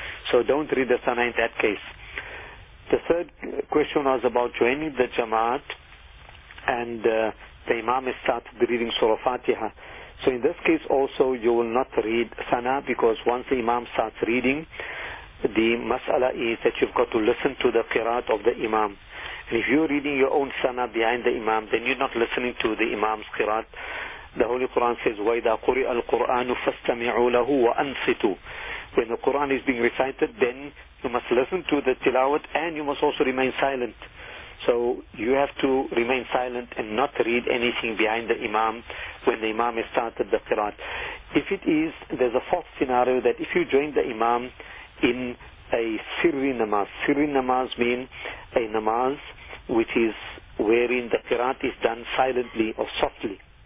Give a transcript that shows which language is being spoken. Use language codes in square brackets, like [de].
[en] So don't read the sana in that case. The third question was about joining the jamaat and the imam has started reading Surah Fatiha. So in this case also, you will not read sana because once the imam starts reading, the mas'ala is that you've got to listen to the qiraat of the imam. And if you're reading your own sana behind the imam, then you're not listening to the imam's qiraat. The Holy Quran says, [ar] وَإِذَا قُرِئَ الْقُرْآنُ فَاسْتَمِعُوا لَهُ وَأَنْصِتُوا. [en] When the Quran is being recited, then you must listen to the tilawat and you must also remain silent. So you have to remain silent and not read anything behind the imam when the imam has started the qiraat. If it is, there's a fourth scenario that if you join the imam in a sirri namaz means a namaz which is wherein the qiraat is done silently or softly.